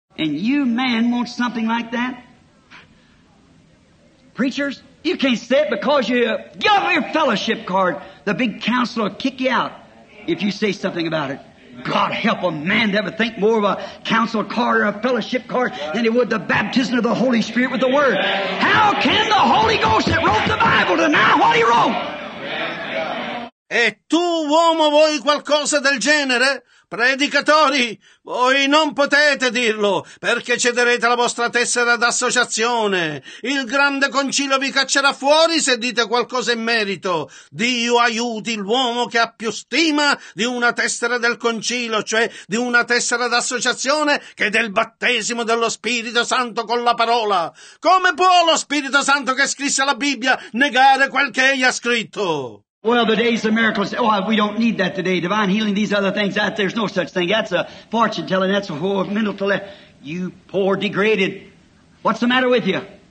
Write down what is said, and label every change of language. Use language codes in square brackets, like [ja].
[en] And you men want something like that? Preachers, you can't say it because you get off your fellowship card. The big council will kick you out if you say something about it. God help a man to ever think more of a council card or a fellowship card than he would the baptism of the Holy Spirit with the Word. How can the Holy Ghost that wrote the Bible deny what he wrote? [it] E tu, uomo, vuoi qualcosa del genere? Predicatori, voi non potete dirlo, perché cederete la vostra tessera d'associazione. Il grande concilio vi caccerà fuori se dite qualcosa in merito. Dio aiuti l'uomo che ha più stima di una tessera del concilio, cioè di una tessera d'associazione, che del battesimo dello Spirito Santo con la parola. Come può lo Spirito Santo che scrisse la Bibbia negare quel che egli ha scritto? [en] Well, the days of miracles, oh, we don't need that today. Divine healing, these other things, that there's no such thing. That's a fortune telling, that's a whole mental telling. You poor degraded, what's the matter with you?